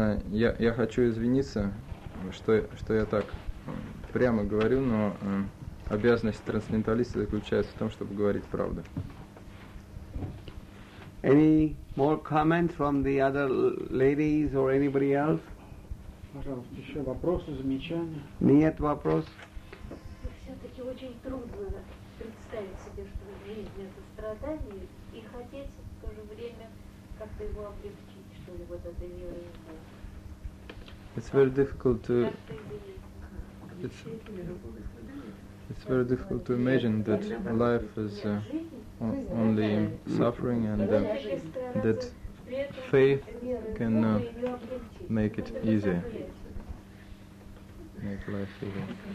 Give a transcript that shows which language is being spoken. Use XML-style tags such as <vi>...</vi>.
<ru>Я хочу извиниться, что я так прямо говорю, но обязанность трансценденталиста заключается в том, чтобы говорить правду.</ru> <en>Any more comments from the other ladies or anybody else?</en> <ru>Пожалуйста, еще вопросы, замечания? Нет, вопрос. Все-таки очень трудно представить себе, что в жизни это страдание, и хотеть в то же время как-то его облегчить, что ли, вот это не работает.</ru> <en>It's very difficult to... It's very difficult to imagine that life is only suffering and that faith can make it easier, make life easier.</en>